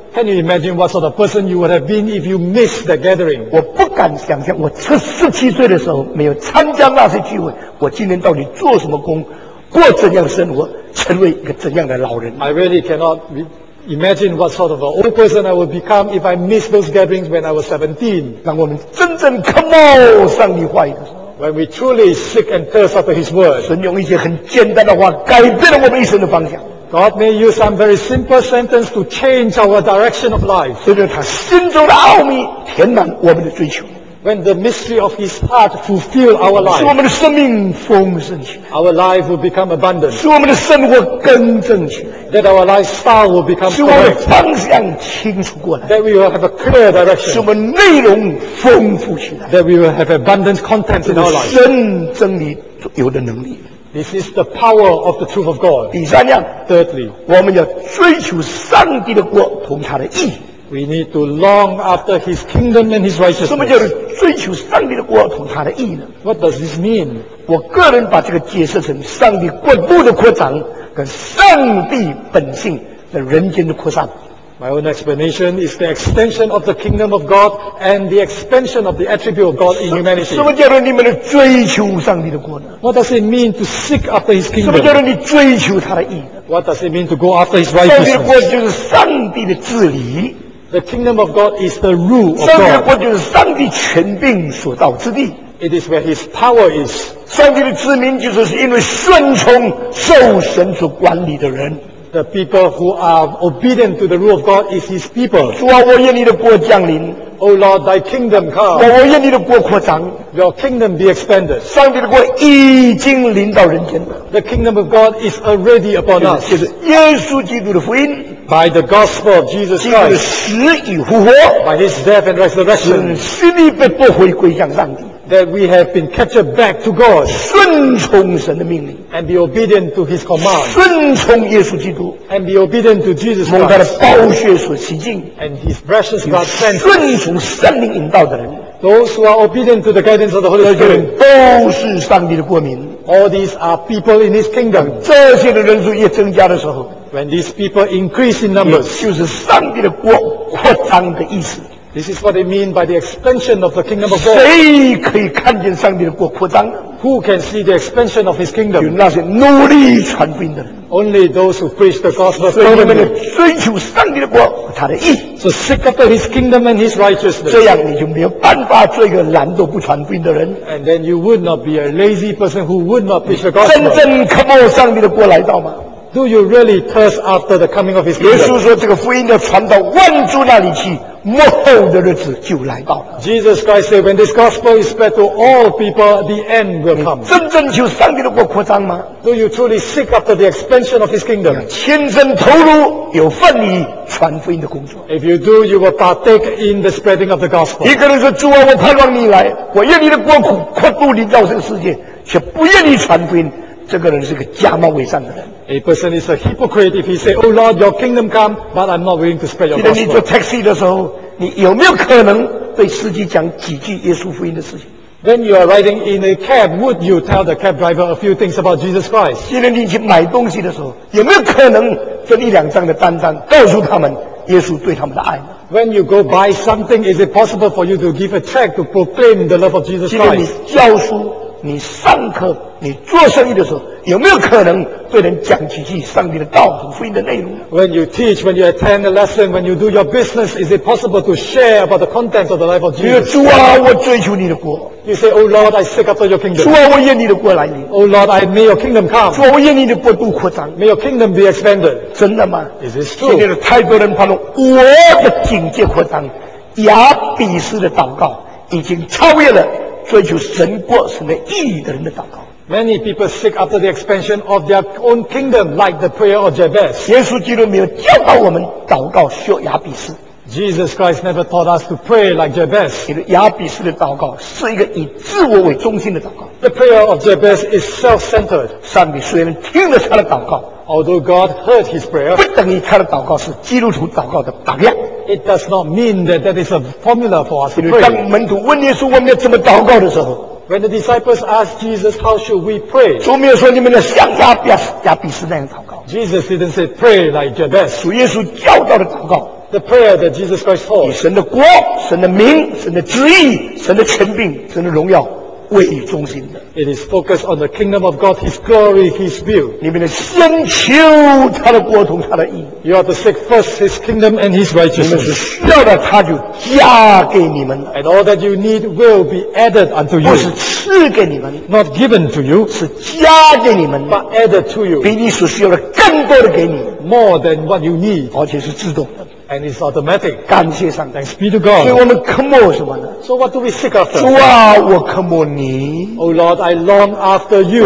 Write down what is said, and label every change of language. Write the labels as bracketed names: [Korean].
[English] Can you imagine what sort of person you would have been if you missed the gathering? [Chinese] 我不敢想象，我17岁的时候没有参加那些聚会，我今天到底做什么工，过怎样的生活，成为一个怎样的老人？ [English] I really cannot imagine what sort of an old person I would become if I missed those gatherings when I was 17. [Chinese] 让我们真正渴慕上帝话语的时候， [English] when we truly seek and thirst after His word, [Chinese] 神用一些很简单的话改变了我们一生的方向。 [English] God may use some very simple sentence to change our direction of life. [Chinese] 随着他心中的奥秘填满我们的追求。 [English] When the mystery of His heart fulfill our life, [Chinese] 使我们的生命丰盛起来。 [English] Our life will become abundant. [Chinese] 使我们的生活更正起来。 [English] That our lifestyle will become correct. [Chinese] 使我们的方向清楚过来。 [English] That we will have a clear direction. [Chinese] 使我们内容丰富起来。 [English] That we will have abundant content in our life. [Chinese] 神真理有的能力。 [English] This is the power of the truth of God. [Chinese] 第三样。 [English] Thirdly, [Chinese] 我们要追求上帝的国同他的义。 [English] We need to long after His kingdom and His righteousness. [Chinese] 什么叫追求上帝的国同他的义呢？ [English] What does this mean? [Chinese] 我个人把这个解释成上帝国度的扩张跟上帝本性的人间的扩散。 [English] My own explanation is the extension of the kingdom of God and the expansion of the attribute of God in humanity. [Chinese] 什么叫你们追求上帝的国呢？ [English] What does it mean to seek after His kingdom? [Chinese] 什么叫你追求他的义呢？ [English] What does it mean to go after His righteousness? [Chinese] 上帝的国就是上帝的治理。 [English] The kingdom of God is the rule of God. [Chinese] 上帝的国就是上帝权柄所到之地。 [English] It is where His power is. [Chinese] 上帝的子民就是因为顺从受神所管理的人。 [English] The people who are obedient to the rule of God is His people. [Chinese] 主啊，我愿你的国降临。 [English] O Lord, Thy kingdom come. [Chinese] 我愿你的国扩张。 [English] Your kingdom be expanded. [Chinese] 上帝的国已经临到人间。 [English] The kingdom of God is already upon us. [Chinese] 就是耶稣基督的福音。 [English] By the gospel of Jesus Christ, [Chinese] 基督的死与复活 [English] ，By His death and resurrection, [Chinese] 使你被拨回归向上帝 [English] ，That we have been captured back to God, [Chinese] 顺从神的命令 [English] ，And be obedient to His command, [Chinese] 顺从耶稣基督 [English] ，And be obedient to Jesus Christ, [Chinese] 蒙他的宝血所洗净 [English] ，And His precious blood cleansed, [Chinese] 顺从圣灵引导的人。 [English] Those who are obedient to the guidance of the Holy Spirit, [Chinese] 都是上帝的国民。 [English] All these are people in His kingdom. [Chinese] 这些的人数越增加的时候 [English] ，When these people increase in numbers, [Chinese] 就是上帝的国扩张的意思。 [English] This is what they mean by the expansion of the kingdom of God. [Chinese] 谁可以看见上帝的国扩张？ [English] Who can see the expansion of His kingdom? [Chinese] 就那些努力传福音的人。 [English] Only those who preach the gospel. [Chinese] 所以我们追求上帝的国和他的义。 [English] So seek after His kingdom and His righteousness. [Chinese] 这样你就没有办法做一个懒惰不传福音的人。 [English] And then you would not be a lazy person who would not preach the gospel. [Chinese] 真正渴慕上帝的国来到吗？ [English] Do you really thirst after the coming of His kingdom? [Chinese] 耶稣说这个福音要传到万族那里去，末后的日子就来到了。 [English] Jesus Christ said, when this gospel is spread to all people, the end will come. [Chinese] 真正求上帝的国扩张吗？ [English] Do you truly seek after the expansion of His kingdom? [Chinese] 亲身投入有份于传福音的工作。 [English] If you do, you will partake in the spreading of the gospel. [Chinese] 一个人说，主啊，我盼望你来，我愿你的国扩度临到这个世界，却不愿意传福音。这个人是个假冒伪善的人。 [English] A person is a hypocrite if he says, "Oh Lord, Your kingdom come, but I'm not willing to spread Your gospel." [Chinese] 你坐 taxi 的时候，你有没有可能对司机讲几句耶稣福音的事情？ [English] When you are riding in a cab, would you tell the cab driver a few things about Jesus Christ? [Chinese] 今天你去买东西的时候，有没有可能跟一两张的单张告诉他们耶稣对他们的爱？ [English] When you go buy something, is it possible for you to give a check to proclaim the love of Jesus Christ? [Chinese] 今天你教书。你上课你做生意的时候有没有可能对人讲几句上帝的道和福音的内容？ [English] When you teach, when you attend a lesson, when you do your business, is it possible to share about the contents of the life of Jesus? [Chinese] 主啊，我追求你的国。 [English] You say, Oh Lord, I seek after your kingdom. [Chinese] 主啊，我愿你的国来临。 [English] Oh Lord, I may your kingdom come. [Chinese] 主啊，我愿你的国度扩张。 [English] May your kingdom be expanded. [Chinese] 真的吗？ [English] Is this true? [Chinese] 现在太多人盼望我的境界扩张，亚比斯的祷告已经超越了追求神国神的意义的人的祷告。 [English] Many people seek after the expansion of their own kingdom, like the prayer of Jabez. [Chinese] 耶稣基督没有教导我们祷告需要亚比斯。 [English] Jesus Christ never taught us to pray like Jabez. [Chinese] 亚比斯的祷告是一个以自我为中心的祷告。 [English] The prayer of Jabez is self-centered. [Chinese] 上帝虽然听了他的祷告。 [English] Although God heard his prayer, [Chinese] 不等于他的祷告是基督徒祷告的榜样。 [English] It does not mean that that is a formula for us to pray. [Chinese] 当门徒问耶稣我们要怎么祷告的时候。 [English] When the disciples asked Jesus, how should we pray? [Chinese] 主没有说你们要像亚比斯那样祷告。 [English] Jesus didn't say pray like Jabez. [Chinese] 主耶稣教导的祷告。 [English] The prayer that Jesus Christ taught. [Chinese] 以神的国、神的名、神的旨意、神的权柄、神的荣耀。位于中心的 [English] It is focused on the kingdom of God, His glory, His will. [Chinese] 你们先求他的国同他的义。 [English] You are to seek first His kingdom and His righteousness. [Chinese] 你们需要的，他就加给你们了。 [English] And all that you need will be added unto you. [Chinese] 不是赐给你们 [English] ，not given to you， [Chinese] 是加给你们 [English] ，but added to you， [Chinese] 比你所需要的更多的给你 [English] ，more than what you need， [Chinese] 而且是自动的。 [English] And it's automatic. [Chinese] 感谢上帝 [English] Thanks be to God. [Chinese] 所以我们渴慕什么呢 [English] So what do we seek after? [Chinese] 主啊我渴慕你 [English] Oh Lord I long after you.